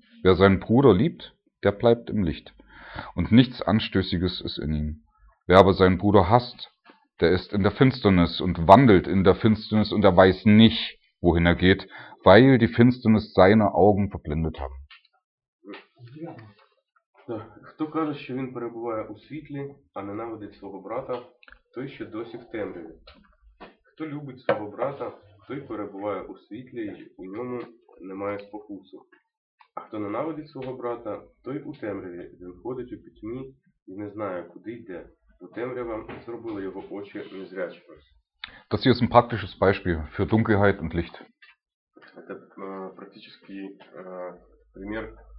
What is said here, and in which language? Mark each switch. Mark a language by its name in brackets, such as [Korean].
[German] Wer seinen Bruder liebt, der bleibt im Licht. Und nichts Anstößiges ist in ihm. Wer aber seinen Bruder hasst, der ist in der Finsternis und wandelt in der Finsternis und er weiß nicht, wohin er geht, weil die Finsternis seine Augen verblendet haben. [Ukrainian] Да. Хто каже, що він перебуває у світлі, а ненавидить свого брата, той ще досі в темряві. Хто любить свого брата, той перебуває у світлі, і у ньому немає спокусу. А хто ненавидить свого брата, той у темряві, він ходить у пітьмі і не знає, куди йде. У темрява зробили його очі незрячими. [German] Das hier ist ein praktisches Beispiel für Dunkelheit und Licht. [Russian] Это практический пример.